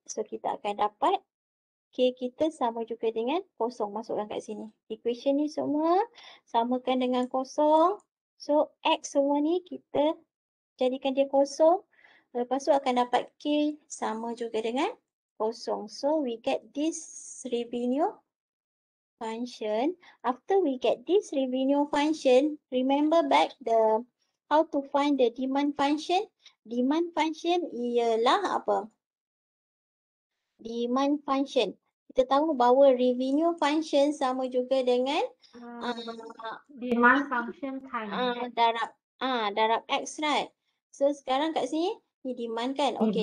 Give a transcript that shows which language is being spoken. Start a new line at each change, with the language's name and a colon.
Malay: So, kita akan dapat K kita sama juga dengan kosong. Masukkan kat sini. Equation ni semua samakan dengan kosong. So, X semua ni kita jadikan dia kosong. Lepas tu akan dapat K sama juga dengan kosong.
English: So, we get this revenue function. After we get this revenue function, remember back the how to find the demand function.
Malay: Demand function ialah apa? Demand function. Kita tahu bahawa revenue function sama juga dengan
English: demand function times
Malay: darab X, right? So sekarang kat sini ni demand kan? Okay,